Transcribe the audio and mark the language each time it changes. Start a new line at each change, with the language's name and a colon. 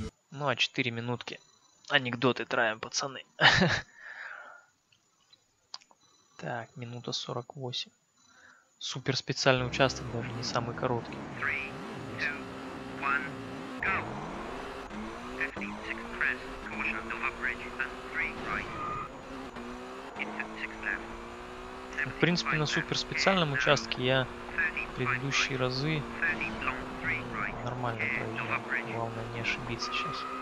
Russian: Ну а 4 минутки. Анекдоты травим, пацаны. Так, минута 48. Супер специальный участок, даже не самый короткий.
English: 3, 2, 1, go! 15 press, caution, overbridge, and 3 right. Into 6 left.
Russian: Ну, в принципе, на супер специальном участке я предыдущие разы нормально проехал. Главное не ошибиться сейчас.